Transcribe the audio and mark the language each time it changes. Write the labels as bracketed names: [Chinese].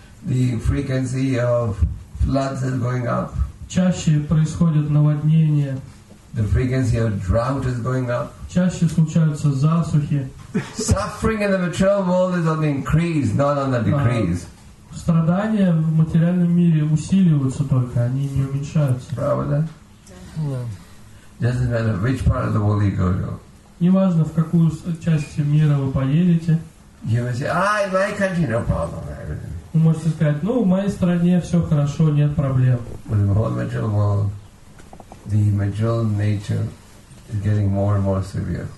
[English] The frequency of floods is going up. [Russian] Чаще происходят наводнения. [English] The frequency of drought is going up. [Russian] Чаще случаются засухи. [English] Suffering in the material world is on the increase, not on the decrease. [Russian] Страдания в материальном мире усиливаются только, они не уменьшаются. Правда? [English] Doesn't matter which part of the world you go to. [Russian] Неважно, в какую часть мира вы поедете. [English] You may say, in my country, no problem. [Russian] Вы можете сказать, в моей стране все хорошо, нет проблем. [English] But in the whole material world, the material nature is getting more and more severe.